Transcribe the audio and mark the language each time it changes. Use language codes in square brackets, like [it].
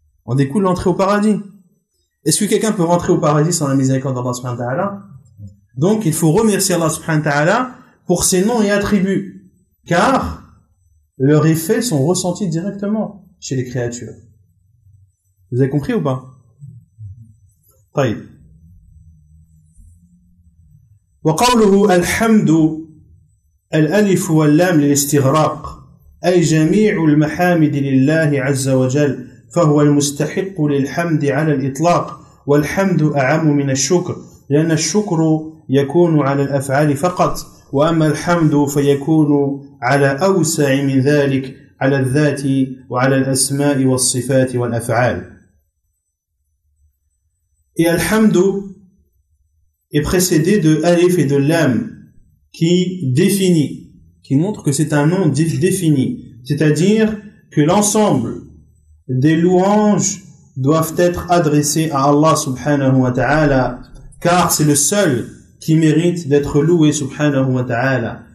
[fr] En découle l'entrée au paradis. Est-ce que quelqu'un peut rentrer au paradis sans la miséricorde d'Allah subhanahu wa ta'ala? Donc, il faut remercier Allah subhanahu wa ta'ala pour ses noms et attributs, car leurs effets sont ressentis directement chez les créatures. Vous avez compris ou pas? [ar] Taïb. Wa qawluhu alhamdu al-alif wal-lam lil-istighraq ay jami'u al-mahamidi lillahi azza wa jal فهو المستحق للحمد على الإطلاق والحمد أعم من الشكر لأن الشكر يكون على الأفعال فقط وأما الحمد فيكون على أوسع من ذلك على الذات وعلى الأسماء والصفات والأفعال. [fr] Et الحمد est précédé de alif et de lam qui définit, qui montre que c'est un nom défini, c'est-à-dire que l'ensemble des louanges doivent être adressées à Allah subhanahu wa ta'ala, car c'est le seul qui mérite d'être loué subhanahu wa ta'ala.